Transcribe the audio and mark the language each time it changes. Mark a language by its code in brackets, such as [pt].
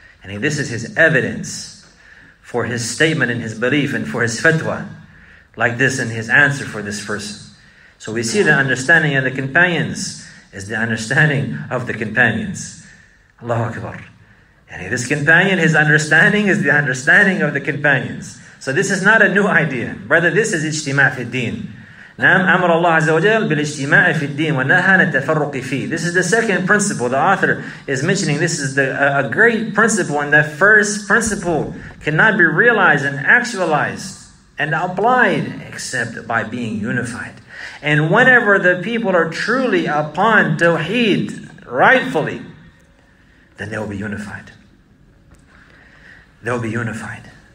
[en] And this is his evidence for his statement and his belief and for his fatwa, like this in his answer for this person. So we see the understanding of the companions is the understanding of the companions. Allahu Akbar. And this companion, his understanding is the understanding of the companions. So this is not a new idea. Brother, this is ijtima' fi deen. [ar] نعم أمر الله عز وجل بالاجتماع في الدين ونهى عن التفرق فيه. [en] This is the second principle. The author is mentioning this is a great principle, and that first principle cannot be realized and actualized and applied except by being unified. And whenever the people are truly upon Tawheed rightfully, then they will be unified. They will be unified.